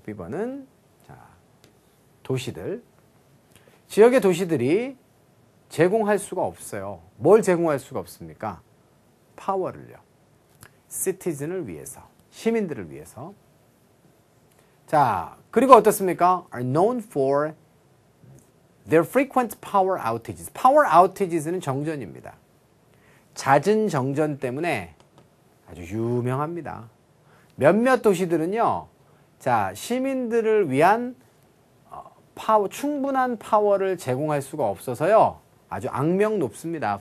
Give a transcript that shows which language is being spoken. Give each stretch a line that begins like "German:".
Korean: B번은 자, 도시들. 지역의 도시들이 제공할 수가 없어요. 뭘 제공할 수가 없습니까? 파워를요. 시티즌을 위해서, 시민들을 위해서. 자, 그리고 어떻습니까?
English: Are known for their frequent power outages.
Korean: Power outages는 정전입니다. 잦은 정전 때문에 아주 유명합니다. 몇몇 도시들은요, 자, 시민들을 위한 파워, 충분한 파워를 제공할 수가 없어서요, 아주 악명 높습니다.